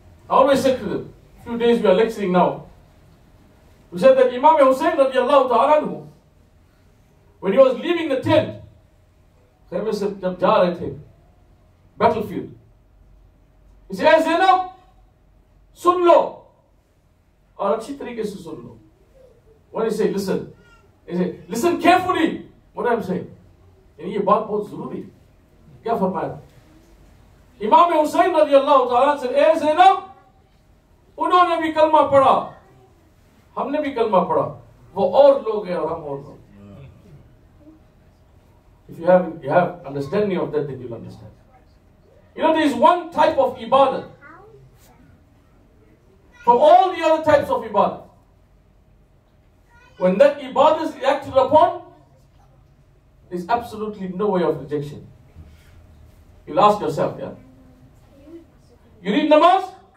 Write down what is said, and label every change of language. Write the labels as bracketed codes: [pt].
[en] I always said to them, few days we are lecturing now. We said that Imam Hussein radiallahu ta'ala anhu, when he was leaving the tent, [ur] Khaybar se jab ja rahe the, [en] battlefield. He said, Zainab, [ur] sun lo. Aur achhi tarike se sun lo. [en] What did he say? Listen. He said, listen carefully. What am I saying? [ur] Yani ye baat bahut zaruri hai. Kya farmaya? [en] Imam Hussein radiallahu ta'ala said, Zainab, [ur] انہوں نے بھی کلمہ پڑھا، ہم نے بھی کلمہ پڑھا، وہ اور لوگ ہیں اور ہم اور لوگ۔ [en] If you have, you have understanding of that, then you'll understand. You know, there is one type of ibadah from all the other types of ibadah. When that ibadah is reacted upon, there's absolutely no way of rejection. You'll ask yourself, yeah? You read namaz?